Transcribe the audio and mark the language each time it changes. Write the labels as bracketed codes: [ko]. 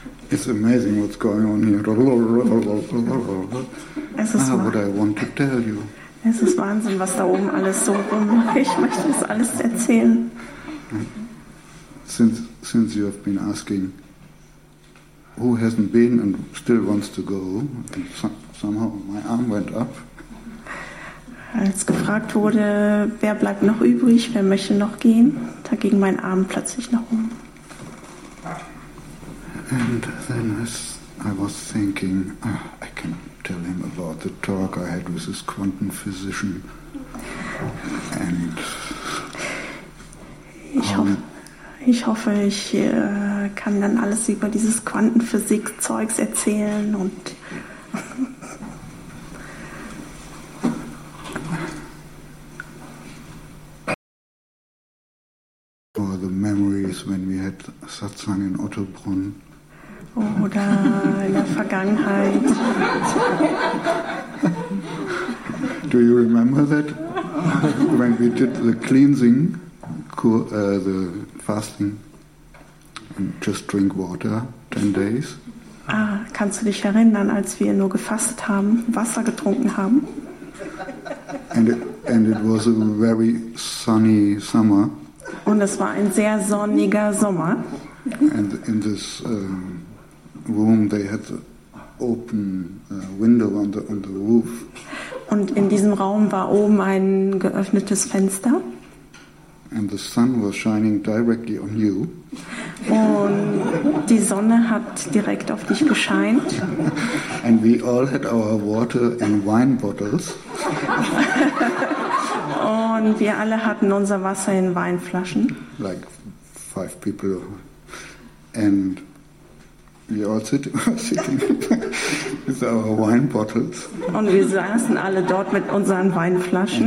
[en] It's amazing what's going on here. What I want to tell you. [de] Es ist Wahnsinn, was da oben alles so rum. Ich möchte das alles erzählen. [en] Since you have been asking, who hasn't been and still wants to go, and somehow my arm went up. [de] Als gefragt wurde, wer bleibt noch übrig, wer möchte noch gehen, da ging mein Arm plötzlich nach oben. [en] And then I was thinking, I can tell him about the talk I had with this quantum physician. And [de] ich hoffe, ich kann dann alles über dieses Quantenphysik-Zeugs erzählen. Und [en] I always when we had satsang in Ottobrunn. [de] Oder in der Vergangenheit. [en] Do you remember that? When we did the cleansing, the fasting, and just drink water, 10 days. [de] Ah, kannst du dich erinnern, als wir nur gefastet haben, Wasser getrunken haben? [en] And it was a very sunny summer. [de] Und es war ein sehr sonniger Sommer. [en] And in this room they had the open window on the roof. [de] Und in diesem Raum war oben ein geöffnetes Fenster. [en] And the sun was shining directly on you. [de] Und die Sonne hat direkt auf dich gescheint. [en] And we all had our water in wine bottles. [de] Und wir alle hatten unser Wasser in Weinflaschen. [en] Like 5 people. And we all sitting with our wine bottles. [de] Und wir saßen alle dort mit unseren Weinflaschen.